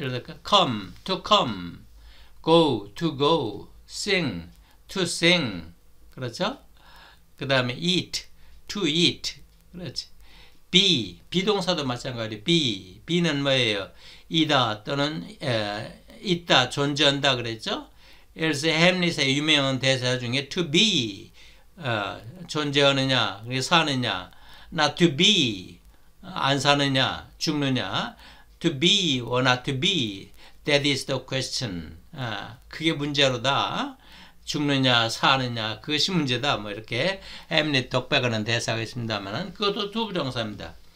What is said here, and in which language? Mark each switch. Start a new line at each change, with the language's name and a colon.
Korean: 예를 들어,
English: come, to come, go, to go, sing, to sing, 그렇죠?
Korean: 그 다음에
English: eat, to eat,
Korean: 그렇지? be동사도 마찬가지. be는 뭐예요? 이다 또는 있다, 존재한다 그랬죠? 예를 들어서 햄릿의 유명한 대사 중에
English: to be 존재하느냐, 사느냐, not to be 안 사느냐, 죽느냐, to be or not to be, that is the question.
Korean: 그게 문제로다. 죽느냐, 사느냐, 그것이 문제다. 뭐 이렇게 햄릿 독백하는 대사가 있습니다만은 그것도 두부정사입니다.